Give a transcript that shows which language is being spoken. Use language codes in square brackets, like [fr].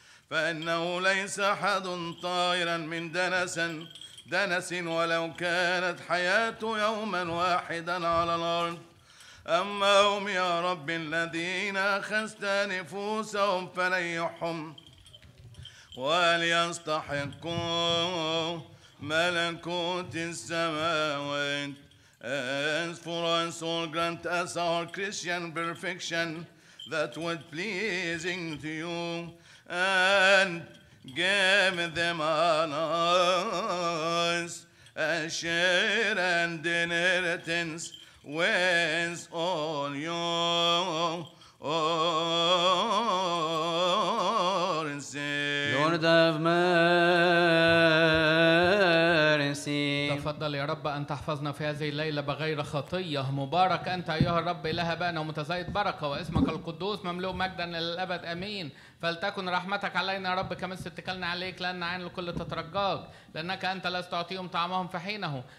[ar] فإنه ليس أحد طائرا من دنس ولو كانت حياته يوما واحدا على الأرض. أما هم يا رب الذين أخذت نفوسهم فنيحهم وليستحقوا ملكوت السماوات. [en] As for us all, grant us our Christian perfection that was pleasing to you, and give them on us a share and inheritance with all your saints. Lord of mercy. [ar] تفضل يا رب أن تحفظنا في هذه الليلة بغير خطية. مبارك أنت أيها الرب إله أبانا ومتزايد بركة، واسمك القدوس مملوء مجدا للأبد أمين. فلتكن رحمتك علينا يا رب كما استتكلنا عليك، لأن عين الكل تترجاك، لأنك أنت لست تعطيهم طعامهم في حينه.